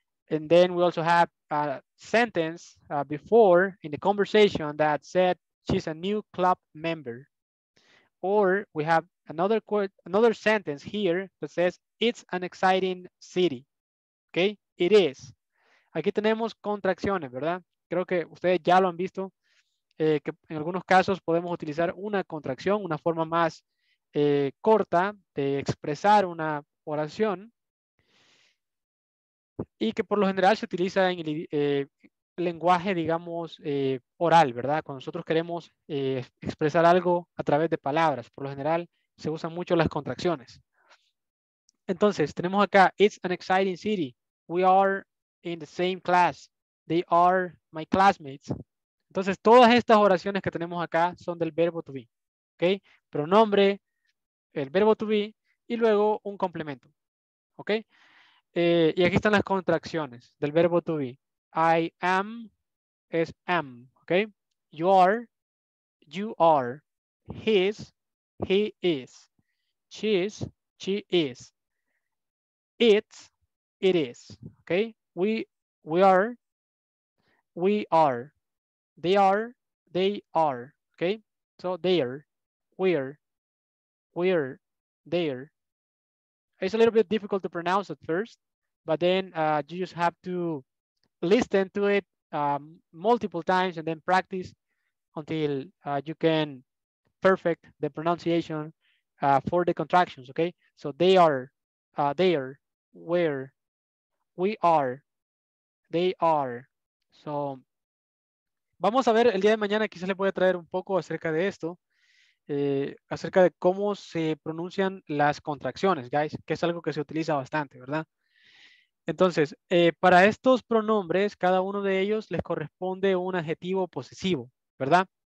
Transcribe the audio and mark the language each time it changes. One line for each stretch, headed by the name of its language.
English: And then we also have a sentence before in the conversation that said she's a new club member. Or we have another quote, another sentence here that says it's an exciting city. Okay, it is.
Spanish: Aquí tenemos contracciones, ¿verdad? Creo que ustedes ya lo han visto, que en algunos casos podemos utilizar una contracción, una forma más corta de expresar una oración, y que por lo general se utiliza en el lenguaje, digamos, oral, ¿verdad? Cuando nosotros queremos expresar algo a través de palabras, por lo general se usan mucho las contracciones. Entonces, tenemos acá,
English: it's an exciting city. We are in the same class. They are my classmates.
Spanish: Entonces, todas estas oraciones que tenemos acá son del verbo to be. ¿Ok? Pronombre, el verbo to be, y luego un complemento. ¿Ok? Y aquí están las contracciones del verbo to be.
English: I am es am. ¿Ok? You are, his, he is, she's, she is, it's, it is. ¿Ok? We are, they are, okay? So we're, they're. It's a little bit difficult to pronounce at first, but then you just have to listen to it multiple times and then practice until you can perfect the pronunciation for the contractions, okay? So they are, there, where, we are, they are.
Spanish: So vamos a ver el día de mañana, quizás le voy a traer un poco acerca de esto, acerca de cómo se pronuncian las contracciones, guys, que es algo que se utiliza bastante, ¿verdad? Entonces, para estos pronombres, cada uno de ellos les corresponde un adjetivo posesivo, ¿verdad?